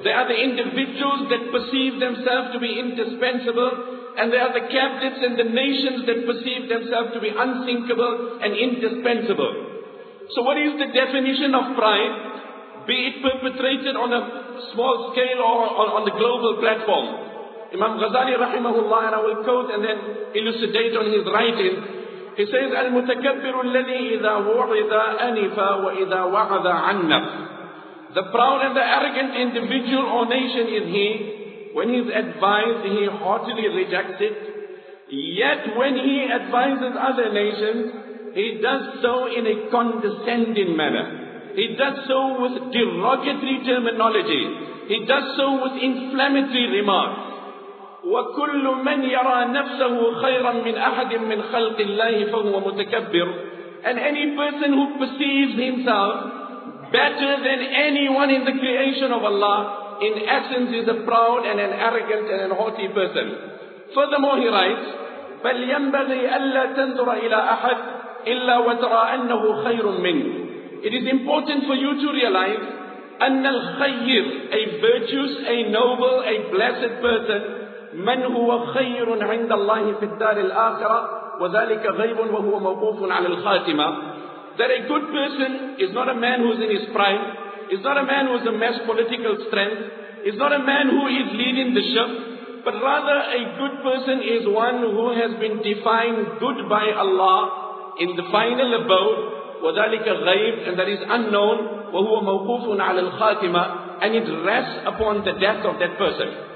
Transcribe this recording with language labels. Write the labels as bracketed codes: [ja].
[en] They are the individuals that perceive themselves to be indispensable, and they are the captives and the nations that perceive themselves to be unthinkable and indispensable. So what is the definition of pride, be it perpetrated on a small scale or on the global platform? Imam Ghazali rahimahullah, and I will quote and then elucidate on his writing. He says, [ar] المتكبر الذي إذا وعظ أنف وإذا وعظ عنف. [en] The proud and the arrogant individual or nation is he, when he is advised, he haughtily rejects it. Yet when he advises other nations, he does so in a condescending manner. He does so with derogatory terminology. He does so with inflammatory remarks. [ar] وكل من يرى نفسه خيرا من احد من خلق الله فهو متكبر. [en] And any person who perceives himself better than anyone in the creation of Allah, in essence, is a proud and an arrogant and an haughty person. Furthermore, he writes, [ar] بل ينبغي الا تنظر الى احد الا وترى انه خير منك. [en] It is important for you to realize [ar] ان الخير, [en] a virtuous, a noble, a blessed person, [ar] من هو خير عند الله في الدار الآخرة وذلك غيب وهو موقوف على الخاتمة. [en] That a good person is not a man who is in his prime, is not a man who has amassed political strength, is not a man who is leading the ship, but rather a good person is one who has been defined good by Allah in the final abode, [ar] وذلك غيب, [en] and that is unknown, [ar] وهو موقوف على الخاتمة, [en] and it rests upon the death of that person.